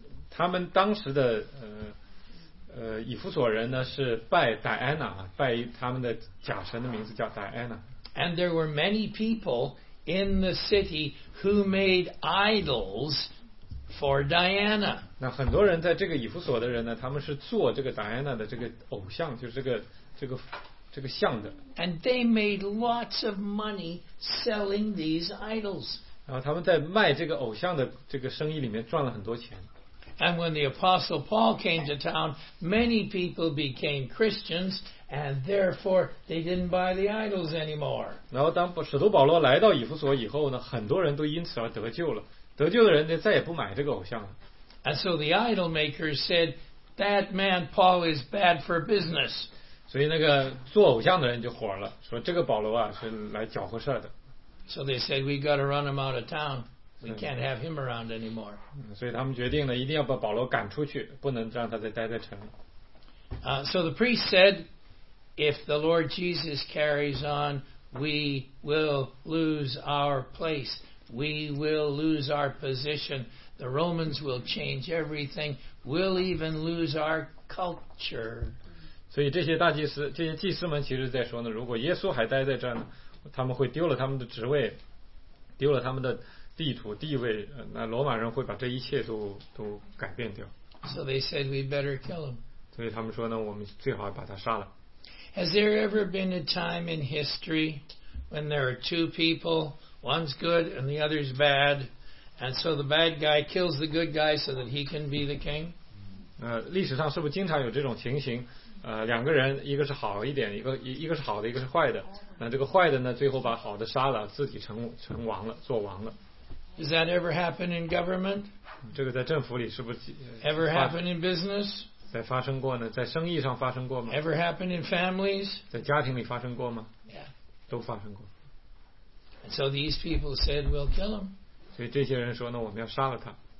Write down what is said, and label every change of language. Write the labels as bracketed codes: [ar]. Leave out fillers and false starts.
[zh] 他们当时的以弗所人呢是拜戴安娜，拜他们的假神的名字叫戴安娜。 [en] And there were many people in the city who made idols for Diana. [zh] 那很多人在这个以弗所的人呢，他们是做这个 Diana 的这个偶像，就是这个像的。 [en] And they made lots of money selling these idols. [zh] 然后他们在卖这个偶像的这个生意里面赚了很多钱。 [en] And when the Apostle Paul came to town, many people became Christians, and therefore they didn't buy the idols anymore. [zh] 然后当使徒保罗来到以弗所以后呢，很多人都因此而得救了。得救的人就再也不买这个偶像了。 [en] And so the idol makers said, "That man Paul is bad for business." [zh] 所以那个做偶像的人就火了，说这个保罗啊是来搅和事的。 [en] So they said, "We got to run him out of town. We can't have him around anymore." [zh] 所以他们决定了，一定要把保罗赶出去，不能让他再待在城里。 [en] So the priest said, "If the Lord Jesus carries on, we will lose our place." We will lose our position. The Romans will change everything. We'll even lose our culture. [zh] 所以这些大祭司，这些祭司们其实在说呢，如果耶稣还待在这儿呢，他们会丢了他们的职位，丢了他们的地图地位，那罗马人会把这一切都改变掉。 [en] So they said we better kill him. [zh] 所以他们说呢，我们最好把他杀了。 [en] Has there ever been a time in history when there are two people? One's good and the other's bad, and so the bad guy kills the good guy so that he can be the king. [zh] 历史上是不是经常有这种情形？两个人，一个是好一点，一个是好的，一个是坏的。那这个坏的呢，最后把好的杀了，自己成王了，做王了。 [en] Does that ever happen in government? [zh] 这个在政府里是不是 [en] ？Ever happen in business? [zh] 在发生过呢？在生意上发生过吗 [en] ？Ever happen in families? [zh] 在家庭里发生过吗 [en] ？Yeah. [zh] 都发生过。 [en] And so these people said, "We'll kill him." [zh] 所以这些人说呢，我们要杀了他。